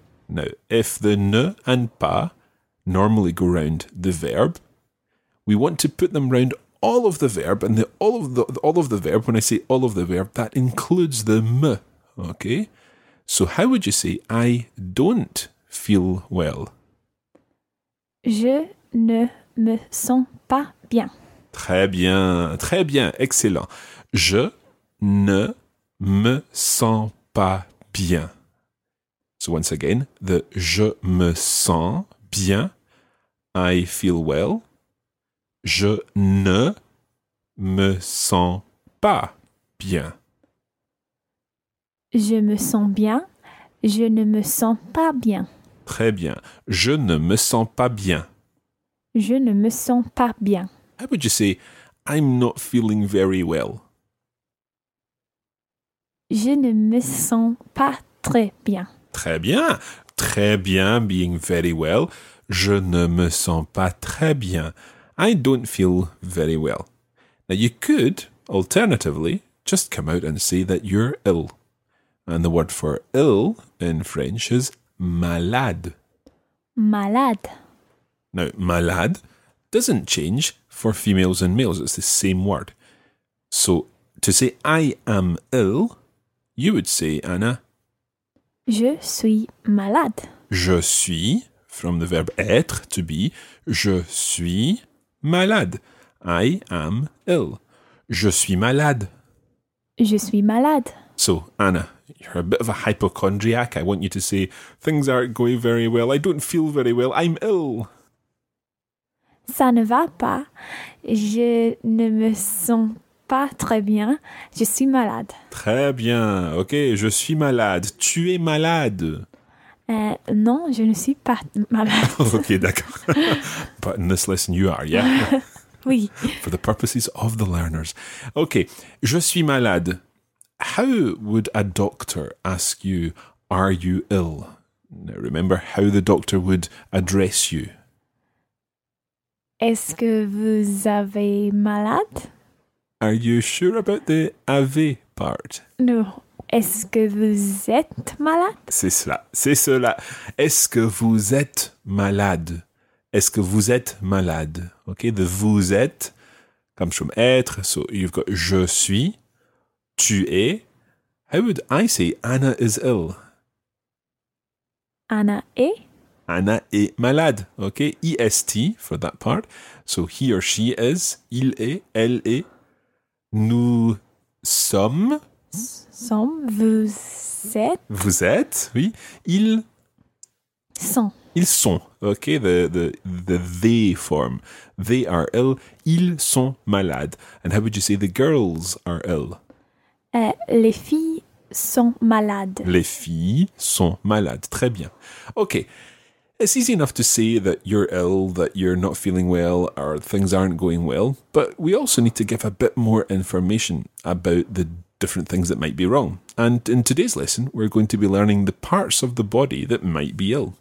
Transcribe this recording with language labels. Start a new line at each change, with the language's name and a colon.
English: Now, if the ne and pas normally go round the verb, we want to put them round all of the verb, and all of the verb, when I say all of the verb, that includes the me, okay? So how would you say, I don't feel well?
French: Je ne me sens pas bien. Très bien, très bien, excellent. Je ne me sens pas bien.
English: So once again, the
French: je me sens bien,
English: I feel well.
French: Je ne me sens pas bien. Je me sens bien. Je ne me sens pas bien. Très bien. Je ne me sens pas bien. Je ne me sens pas bien.
English: How would you say, I'm not feeling very well?
French: Je ne me sens pas très bien. Très bien. Très bien
English: being very well.
French: Je ne me sens pas très bien.
English: I don't feel very well. Now, you could, alternatively, just come out and say that you're ill. And the word for ill in French is malade.
French: Malade.
English: Now, malade doesn't change for females and males. It's the same word. So, to say I am ill, you would say, Anna,
French: je suis malade. Je suis,
English: from the verb
French: être,
English: to be,
French: je suis malade.
English: I am ill.
French: Je suis malade. Je suis malade.
English: So, Anna, you're a bit of a hypochondriac. I want you to say, things aren't going very well. I don't feel very well. I'm ill.
French: ça ne va pas. Je ne me sens pas très bien. Je suis malade. Très bien. Ok, je suis malade. Tu es malade. Non, je ne suis pas malade. Ok, d'accord.
English: But in this lesson, you are, yeah?
French: Oui.
English: For the purposes of the learners. Ok,
French: je suis malade.
English: How would a doctor ask you, are you ill? Now remember how the doctor would address you.
French: Est-ce que vous avez malade?
English: Are you sure about the avez part? No.
French: Est-ce que vous êtes malade? C'est cela. C'est cela. Est-ce que vous êtes malade? Est-ce que vous êtes malade?
English: Okay, the vous êtes comes from être. So you've got
French: je suis, tu es.
English: How would I say Anna is ill?
French: Anna est? Anna est malade.
English: Okay, est for that part. So he or she is,
French: il est, elle est. Nous sommes. Sommes, vous êtes. Vous êtes, oui. Ils sont. Ils sont.
English: Okay, the they form. They are ill.
French: Ils sont malades.
English: And how would you say the girls are ill?
French: Les filles sont malades. Les filles sont malades. Très bien. Okay.
English: It's easy enough to say that you're ill, that you're not feeling well, or things aren't going well. But we also need to give a bit more information about the different things that might be wrong. And in today's lesson, we're going to be learning the parts of the body that might be ill.